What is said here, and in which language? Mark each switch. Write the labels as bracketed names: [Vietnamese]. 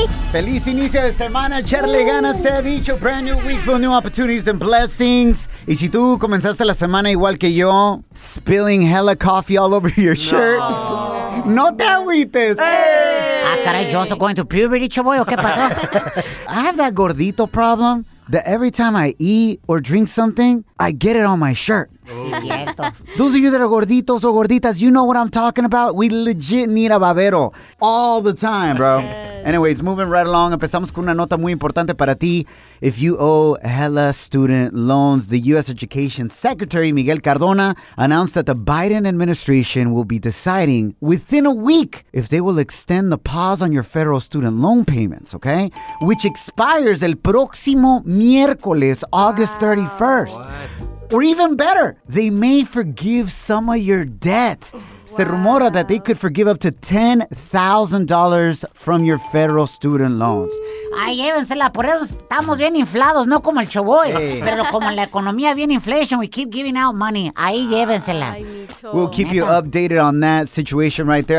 [Spanish] Feliz inicio de semana, echarle ganas, se ha dicho. [English] Brand new week full new opportunities and blessings. [Spanish] Y si tú comenzaste la semana igual que yo, [English] spilling hella coffee all over your shirt. [Spanish] No te agüites. Hey. Ah, caray, yo soy [English] going to puberty, [Spanish] chavoy, ¿o qué pasó? [English] I have that gordito problem that every time I eat or drink something, I get it on my shirt. Those of you that are gorditos or gorditas, you know what I'm talking about. We legit need a babero all the time, bro. Anyways, moving right along. [Spanish] Empezamos con una nota muy importante para ti. [English] If you owe hella student loans, the U.S. Education Secretary Miguel Cardona announced that the Biden administration will be deciding within a week if they will extend the pause on your federal student loan payments, okay? Which expires [Spanish] el próximo miércoles, [English] August 31st. What? Or even better, they may forgive some of your debt. Wow. [Spanish] Se rumora [English] that they could forgive up to $10,000 from your federal student loans. [Spanish] Ay, llévensela, por eso estamos bien inflados, no como el Choboy. [English] Hey. [Spanish] Pero como la economía viene [English] inflation, we keep giving out money. [Spanish] Ahí llévensela. [English] We'll keep you updated on that situation right there.